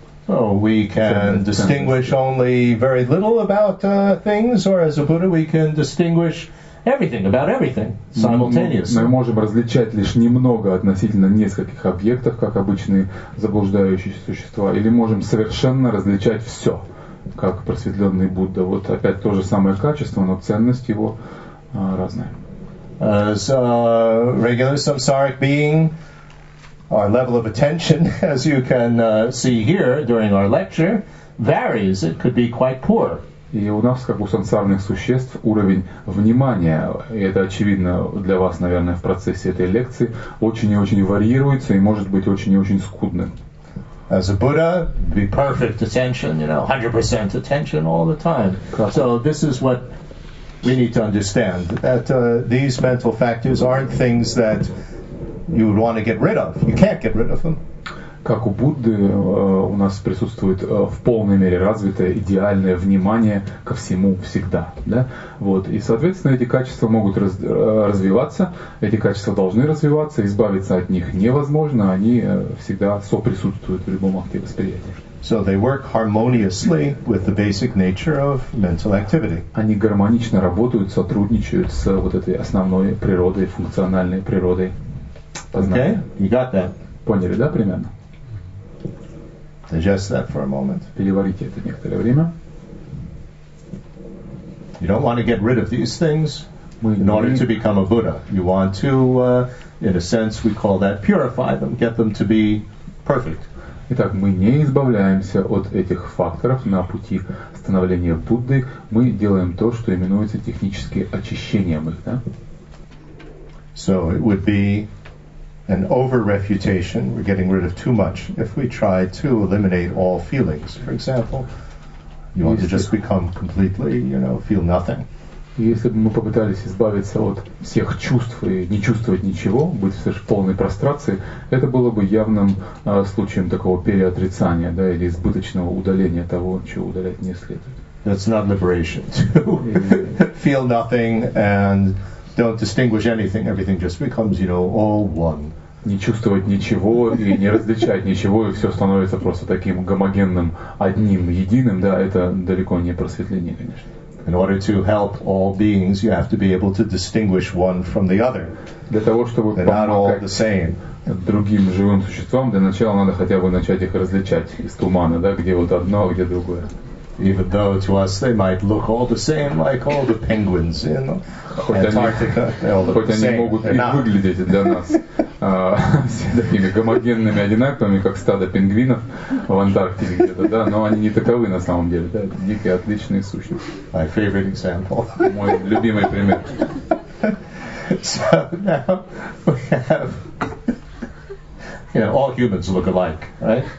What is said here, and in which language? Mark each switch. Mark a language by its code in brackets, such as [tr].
[en] So we can distinguish only very little about things, or as a Buddha we can distinguish everything about everything simultaneously. [ru] Мы можем различать лишь немного относительно нескольких объектов, как обычные заблуждающиеся существа, или можем совершенно различать все, как просветленный Будда. Вот опять то же самое качество, но ценность его разная. [en] As a regular samsaric being, our level of attention, as you can see here during our lecture, varies. It could be quite poor. [ru] И у нас, как у сансарных существ, уровень внимания, и это очевидно для вас, наверное, в процессе этой лекции, очень и очень варьируется и может быть очень и очень скудным. [en] As a Buddha, be perfect attention, you know, 100% attention all the time. So this is what we need to understand, that these mental factors aren't things that you would want to get rid of. You can't get rid of them. [ru] Как у Будды, у нас присутствует в полной мере развитое идеальное внимание ко всему всегда. Да? Вот. И, соответственно, эти качества могут развиваться, эти качества должны развиваться, избавиться от них невозможно, они всегда соприсутствуют в любом акте восприятия. [en] So they work harmoniously with the basic nature of mental activity. [ru] Они гармонично работают, сотрудничают с вот этой основной природой, функциональной природой познания. [en] Okay, you got that. [ru] Поняли, да, примерно? [en] Digest that for a moment. [ru] Переварите это некоторое время. [en] You don't want to get rid of these things in order to become a Buddha. You want to, in a sense, we call that purify them, get them to be perfect. [ru] Итак, мы не избавляемся от этих факторов на пути становления Будды. Мы делаем то, что именуется техническим очищением их, да? [en] So it would be an over-refutation, we're getting rid of too much if we try to eliminate all feelings. For example, you want to just become completely, you know, feel nothing. [ru] Если бы мы попытались избавиться от всех чувств и не чувствовать ничего, быть в полной прострации, это было бы явным случаем такого переотрицания, да, или избыточного удаления того, чего удалять не следует. [en] That's not liberation. Feel nothing and don't distinguish anything, everything just becomes, you know, all one. [ru] Не чувствовать ничего и не различать ничего, и все становится просто таким гомогенным, одним, единым, да, это далеко не просветление, конечно. [en] In order to help all beings, you have to be able to distinguish one from the other. [ru] Для того, чтобы [en] They're not all the same. [ru] Другим живым существам, для начала надо хотя бы начать их различать из тумана, да, где вот одно, где другое. [en] Even though to us they might look all the same, like all the penguins in Antarctica, they all look the same. [ru] Хоть они могут и выглядеть для нас такими гомогенными одинаковыми, как стадо пингвинов в Антарктике где-то, да, но они не таковы на самом деле, да, дикие отличные сущности. [en] My favorite example. [ru] Мой любимый пример. [en] So now we have. You know, all humans look alike, right?